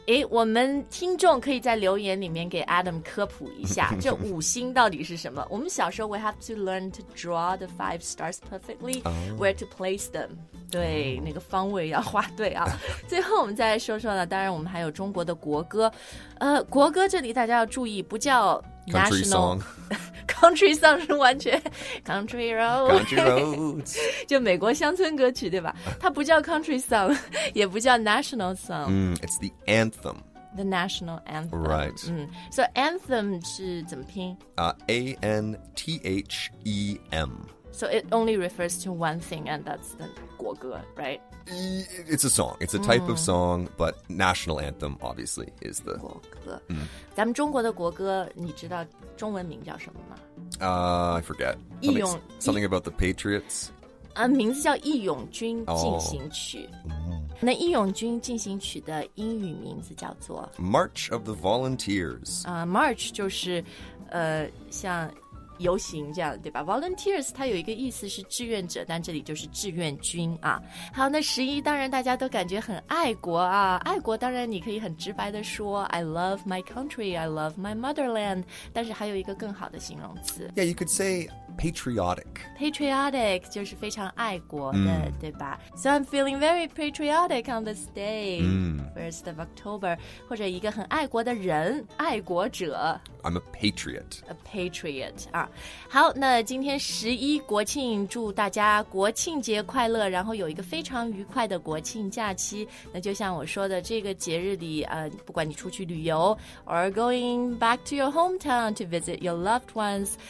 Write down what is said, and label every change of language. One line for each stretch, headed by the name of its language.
Chinese: 我们听众可以在留言里面给 Adam 科普一下这五星到底是什么我们小时候
English: we have to learn to draw the five stars perfectly、 oh. where to place them 对、oh.
Chinese: 那个方位要画对啊最后我们再来说说呢当然我们还有中国的国歌国歌这里大家要注意不叫 national
English: country song country song 是完全 country road country roads
Chinese: 就美国乡村歌曲对吧它不叫 country song 也不叫 national song、
English: mm, it's the anthem the national anthem right、 mm.
Chinese: so anthem 是怎么拼、
English: A-N-T-H-E-M so it only refers to one thing and that's the 国歌 right it's a song it's a type、mm. of song but national anthem obviously is the
Chinese: 国歌、mm. 咱们中国的国歌你知道中文名叫什么吗
English: I forget something about the patriots、
Chinese: 名字叫义勇军进行曲、
English: oh.
Chinese: 那义勇军进行曲的英语名字叫做
English: March of the Volunteers、
Chinese: March 就是、像游行这样对吧 Volunteers 它有一个意思是志愿者但这里就是志愿军啊好那十一当然大家都感觉很爱国啊爱国当然你可以很直白的说
English: I love my country I love my motherland
Chinese: 但是还有一个更好的形容词
English: Yeah you could say patriotic
Chinese: Patriotic 就是非常爱国的、mm.
English: 对吧 So I'm feeling very patriotic on this day、 mm.
Chinese: First of October 或者一个很爱国的人爱国者
English: I'm a patriot
Chinese: A patriot好那今天十一国庆祝大家国庆节快乐然后有一个非常愉快的国庆假期那就像我说的这个节日里、不管你出去旅游
English: or going back to your hometown to visit your loved ones、